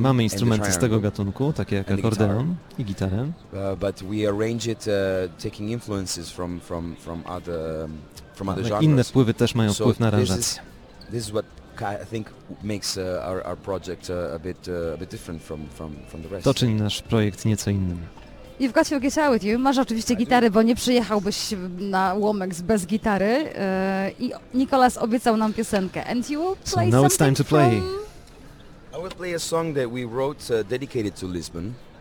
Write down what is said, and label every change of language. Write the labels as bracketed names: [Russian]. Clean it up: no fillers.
[Polish] mamy instrumenty z tego gatunku, takie jak akordeon i gitarę. [English] But we arrange it taking influences from other genres. [Polish] Inne wpływy też mają wpływ na aranżację. [English] This is what I think makes our project a bit different from the rest. [Polish] To czyni nasz projekt nieco innym. [English] You've got your guitar with you. [Polish] Masz oczywiście gitarę, bo nie przyjechałbyś na Łomeks bez gitary. I Nicolas obiecał nam piosenkę. [English] And you will play something. It's time to play. I will play a song that we wrote dedicated to Lisbon.